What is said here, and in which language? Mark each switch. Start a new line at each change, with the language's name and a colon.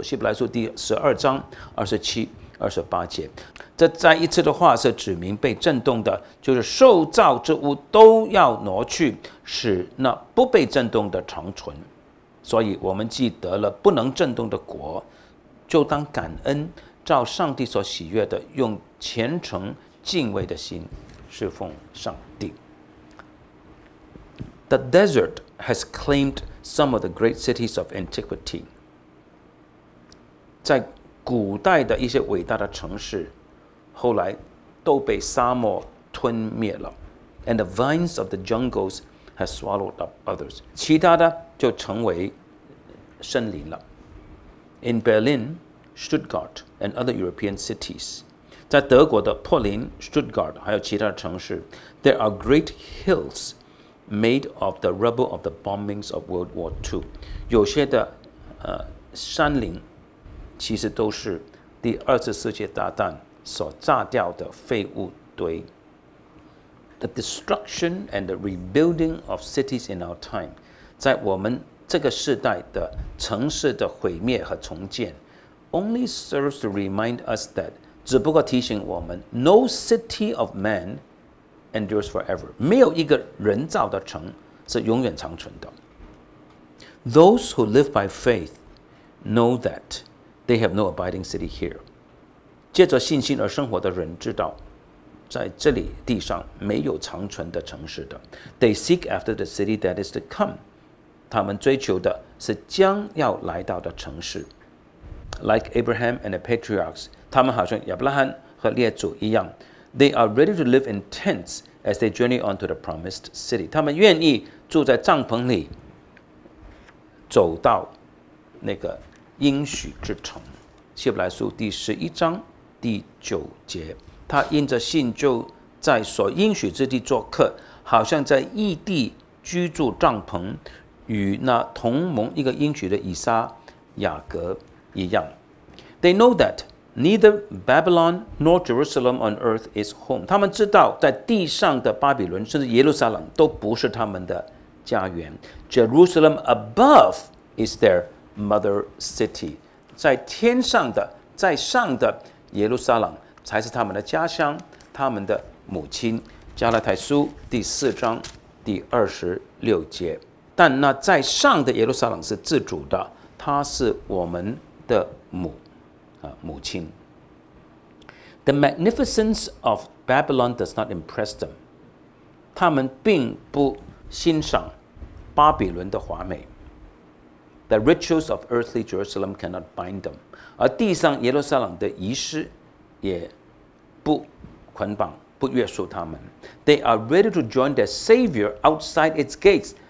Chinese: 希伯来书第十二章二十七二十八节，这再一次的话是指明被震动的，就是受造之物都要挪去，使那不被震动的长存。所以我们既得了不能震动的国，就当感恩，照上帝所喜悦的，用虔诚敬畏的心侍奉上帝。
English: The desert has claimed some of the great cities of antiquity.
Chinese: 在古代的一些伟大的城市，后来都被沙漠吞灭了。
English: And the vines of the jungles have swallowed up others.
Chinese: 其他的就成为森林了。
English: In Berlin,Stuttgart and other European cities.
Chinese: 在德国的柏林 Stuttgart 还有其他城市，
English: There are great hills made of the rubble of the bombings of World War II.
Chinese: 有些的山林其实都是第二次世界大战所炸掉的废物堆。
English: The destruction and the rebuilding of cities in our time.
Chinese: 在我们这个时代的城市的毁灭和重建，
English: Only serves to remind us that
Chinese: 只不过提醒我们
English: No city of man endures forever.
Chinese: 没有一个人造的城是永远长存的。
English: Those who live by faith know that they have no abiding city here.
Chinese: 借着信心而生活的人知道在这里地上没有长存的城市的。
English: They seek after the city that is to come.
Chinese: 他们追求的是将要来到的城市。
English: Like Abraham and the patriarchs,
Chinese: 他们好像亚伯拉罕和列祖一样。
English: They are ready to live in tents as they journey on to the promised city.
Chinese: 他们愿意住在帐篷里，走到那个应许之城。希伯来书第十一章第九节，他因着信就在所应许之地做客，好像在异地居住帐篷，与那同盟一个应许的以撒、雅各一样。
English: They know that neither Babylon nor Jerusalem on earth is home.
Chinese: 他们知道在地上的巴比伦甚至耶路撒冷都不是他们的家园。
English: Jerusalem above is their mother city.
Chinese: 在天上的，在上的耶路撒冷才是他们的家乡，他们的母亲。加拉太书第四章第二十六节，但那在上的耶路撒冷是自主的，他是我们的母亲。
English: The magnificence of Babylon does not impress them.
Chinese: 他们并不欣赏巴比伦的华美。
English: The rituals of earthly Jerusalem cannot bind them.
Chinese: 而地上耶路撒冷的仪式也不捆绑，不约束他们。
English: They are ready to join their Savior outside its gates.